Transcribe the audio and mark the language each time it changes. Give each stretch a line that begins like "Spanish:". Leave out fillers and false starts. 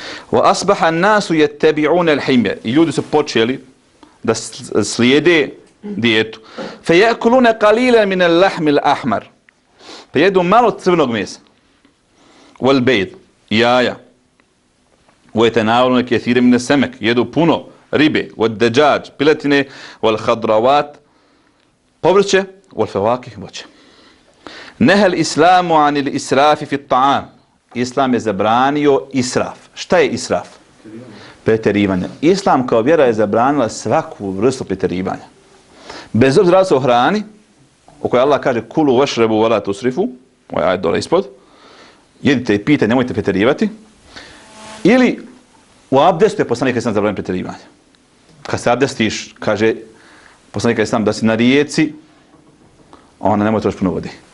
Arabic: وَأَصْبَحَ النَّاسُ يَتَّبِعُونَ الْحِمْيَ
Bosnian: I ljudi su počeli da slijede dijetu.
Arabic: فَيَأْكُلُونَ قَلِيلًا مِنَ اللَّحْمِ الْأَحْمَرِ
Bosnian: Pa jedu malo crvenog mesa.
Arabic: وَالْبَيْد
Bosnian: Jaja.
Arabic: وَيَتَنَاوَلُونَ كَثِيرًا مِنَ السَّمَكِ
Bosnian: Jedu puno ribe.
Arabic: وَالْدَجَاجِ Piletine. وَالْخَضْرَوَاتِ Povrće. وَالْفَوَاكِهِ Voće. نَهَى الْإِسْلَامُ عَنِ الْإِسْرَافِ فِي الطَّعَامِ
Bosnian: Islam je zabranio israf. Šta je israf? Preterivanje. Islam kao vjera je zabranila svaku vrstu preterivanja. Bez obzira o hrani, o kojoj Allah kaže
Arabic: kulu vašrebu vola tusrifu,
Bosnian: ovaj ajde dole ispod, jedite i pijte, nemojte preterivati. Ili u abdestu je poslanik Islam zabranio preterivanje. Kad se abdestiš, kaže poslanik Islam da si na rijeci, ona nemoj trošiti puno vode.